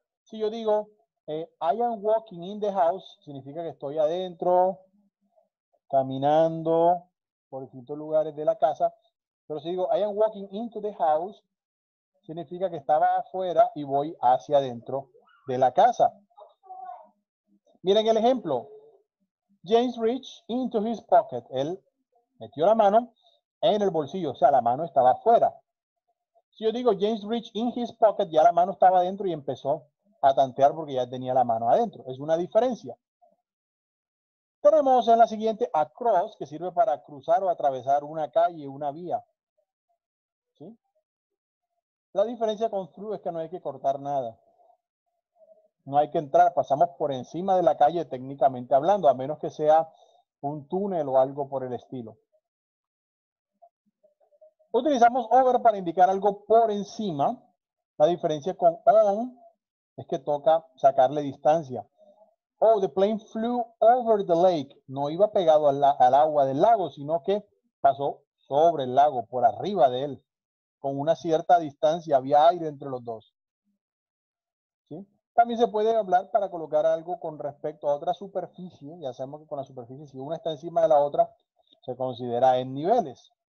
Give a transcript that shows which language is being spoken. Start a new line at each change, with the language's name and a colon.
Spanish: Si yo digo,
English: I am walking in the house,
Spanish: significa que estoy adentro, caminando por distintos lugares de la casa. Pero si digo,
English: I am walking into the house,
Spanish: significa que estaba afuera y voy hacia adentro de la casa. Miren el ejemplo.
English: James reached into his pocket.
Spanish: Él metió la mano en el bolsillo, o sea, la mano estaba afuera. Si yo digo
English: James reached in his pocket,
Spanish: ya la mano estaba adentro y empezó a tantear porque ya tenía la mano adentro. Es una diferencia. Tenemos en la siguiente across, que sirve para cruzar o atravesar una calle, una vía. ¿Sí? La diferencia con through es que no hay que cortar nada. No hay que entrar, pasamos por encima de la calle técnicamente hablando, a menos que sea un túnel o algo por el estilo. Utilizamos over para indicar algo por encima. La diferencia con on es que toca sacarle distancia.
English: Oh, the plane flew over the lake.
Spanish: No iba pegado al agua del lago, sino que pasó sobre el lago, por arriba de él. Con una cierta distancia, había aire entre los dos. ¿Sí? También se puede hablar para colocar algo con respecto a otra superficie. Ya sabemos que con la superficie, si una está encima de la otra, se considera en niveles.